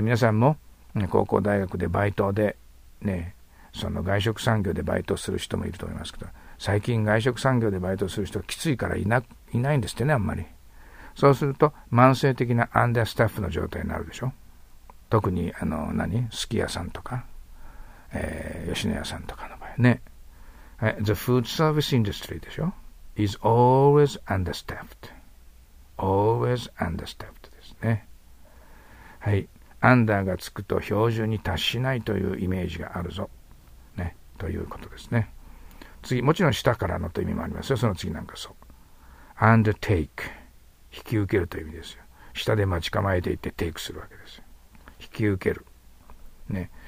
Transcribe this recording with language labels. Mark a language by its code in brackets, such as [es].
[ja] 皆さんも、ね、高校大学でバイトで、ね、その外食産業でバイトする人もいると思いますけど、最近外食産業でバイトする人きついからいないんですってね、あんまり。そうすると、慢性的なアンダースタッフの状態になるでしょ。特に、何すき家さんとか、吉野家さんとかの場合ね。 [en] The food service industry [ja] でしょ [en] ?is always understaffed. Always understaffed [ja] ですね。はい。アンダーがつくと標準に達しないというイメージがあるぞ。ね。ということですね。次、もちろん下からのという意味もありますよ。その次なんかそう。undertake。引き受けるという意味ですよ。下で待ち構えていってテイクするわけですよ。引き受ける。ね。